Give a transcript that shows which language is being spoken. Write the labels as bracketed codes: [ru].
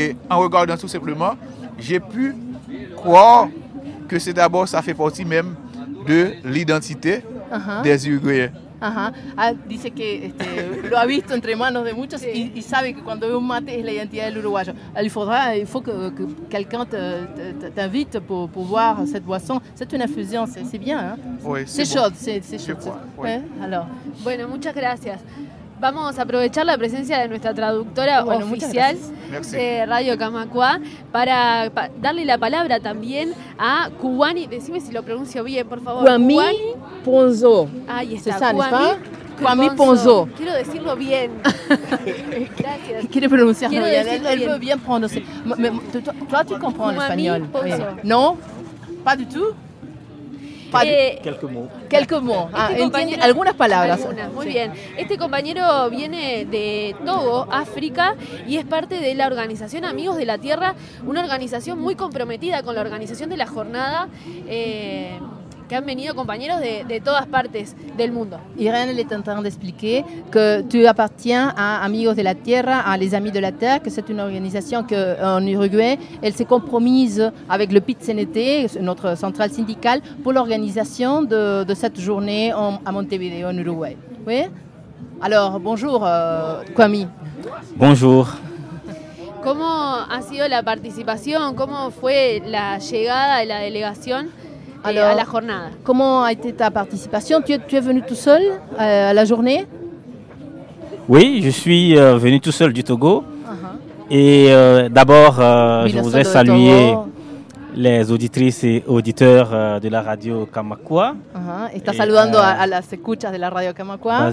[fr] En regardant tout simplement, j'ai pu croire que c'est d'abord ça fait partie même de l'identité des Uruguayens. [es] Dice que lo ha visto entre manos de muchos y sabe que cuando ve un mate es la identidad del uruguayo. [fr] Il faut que quelqu'un t'invite pour voir cette boisson. C'est une infusion, c'est bien. Oui, c'est chaud. C'est chaud. Oui. Alors. [es] Bueno, muchas gracias. Vamos a aprovechar la presencia de nuestra traductora oficial de Radio Camacuá para darle la palabra también a Kuwani. Decime si lo pronuncio bien, por favor. Kuwami Ponzo. Ahí está. Kuwami Ponzo. Quiero decirlo bien. Gracias. Quiere pronunciarlo bien. [fr] Él veut bien prononcer. Tu comprends l'espagnol? No? Pas du tout? Quelques mots. [es] Algunas palabras. Muy bien. Este compañero viene de Togo, África, y es parte de la organización Amigos de la Tierra, una organización muy comprometida con la organización de la jornada, que han venido compañeros de todas partes del mundo. [fr] Irene est en train d'expliquer que tu appartiens à Amigos de la Tierra, à Les Amis de la Terre, que c'est une organisation que en Uruguay, elle s'est compromise avec le PIT-CNT, notre centrale syndicale, pour l'organisation de cette journée à Montevideo, en Uruguay. Oui. Alors, bonjour, Kuwami. Bonjour. [es] Comment a sido la participación? ¿Cómo fue la llegada de la delegación? [fr] Alors, à la jornada. Comment a été ta participation? Tu es venu tout seul à la journée? Oui, je suis venu tout seul du Togo. Uh-huh. Et d'abord, je voudrais saluer les auditrices et auditeurs de la radio Camacuá. Uh-huh. [es] Estás saludando a las escuchas de la radio Camacuá.